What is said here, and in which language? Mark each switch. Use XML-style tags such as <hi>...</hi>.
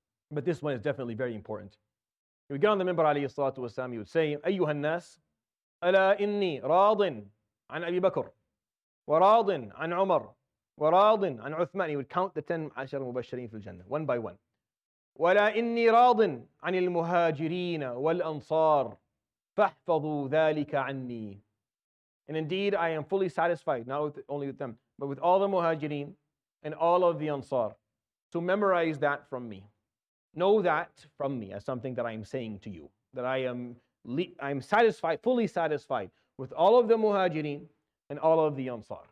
<en>But this one is definitely very important. He would get on the minbar, alayhi salatu wasalam, he would say,</en> <ar>أيها الناس, ألا إني راض عن أبي بكر وراض عن عمر وراض عن عثمان.</ar> <en>He would count the 10</en> <ar>مبشرين في الجنة</ar> <en>one by one.</en> <ar>ولا إني راض عن المهاجرين والأنصار فاحفظوا ذلك عني.</ar> <en>And indeed I am fully satisfied, not with, only with them, but with all the muhajirin and all of the ansar. So memorize that from me. Know that from me as something that I am saying to you, that I am fully satisfied with all of the muhajirin and all of the ansar.</en>